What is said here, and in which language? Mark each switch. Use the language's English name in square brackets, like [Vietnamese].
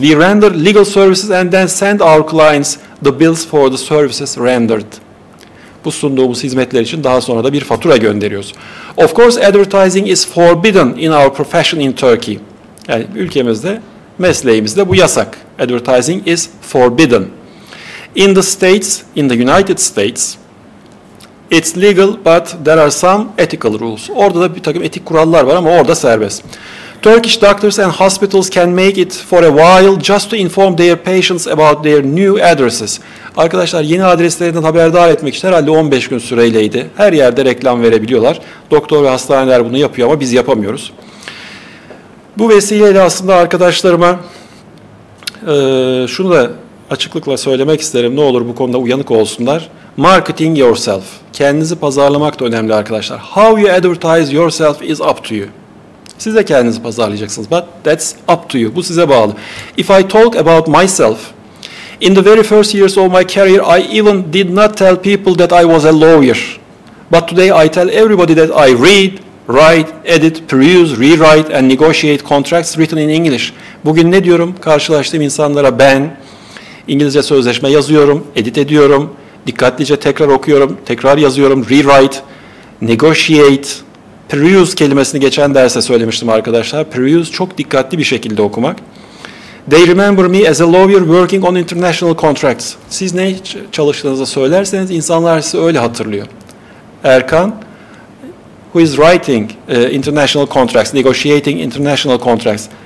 [English] We render legal services and then send our clients the bills for the services rendered. [Turkish] Bu sunduğumuz hizmetler için daha sonra da bir fatura gönderiyoruz. [English] Of course advertising is forbidden in our profession in Turkey. [Turkish] Yani ülkemizde, mesleğimizde bu yasak. [English] Advertising is forbidden. In the States, in the United States, it's legal but there are some ethical rules. [Turkish] Orada da bir takım etik kurallar var ama orada serbest. [English] Turkish doctors and hospitals can make it for a while just to inform their patients about their new addresses. [Turkish] Arkadaşlar yeni adreslerinden haberdar etmek için herhalde 15 gün süreyleydi. Her yerde reklam verebiliyorlar. Doktor ve hastaneler bunu yapıyor ama biz yapamıyoruz. Bu vesileyle aslında arkadaşlarıma şunu da açıklıkla söylemek isterim. Ne olur bu konuda uyanık olsunlar. [English] Marketing yourself. [Turkish] Kendinizi pazarlamak da önemli arkadaşlar. [English] How you advertise yourself is up to you. [Turkish] Siz de kendinizi pazarlayacaksınız. [English] But that's up to you. [Turkish] Bu size bağlı. [English] If I talk about myself, in the very first years of my career, I even did not tell people that I was a lawyer. But today I tell everybody that I read, write, edit, peruse, rewrite and negotiate contracts written in English. [Turkish] Bugün ne diyorum? Karşılaştığım insanlara ben İngilizce sözleşme yazıyorum, edit ediyorum, dikkatlice tekrar okuyorum, tekrar yazıyorum, rewrite, negotiate, peruse kelimesini geçen derste söylemiştim arkadaşlar. Peruse çok dikkatli bir şekilde okumak. [English] They remember me as a lawyer working on international contracts. [Turkish] Siz ne çalıştığınızı söylerseniz insanlar sizi öyle hatırlıyor. [English] Erkan, who is writing international contracts, negotiating international contracts.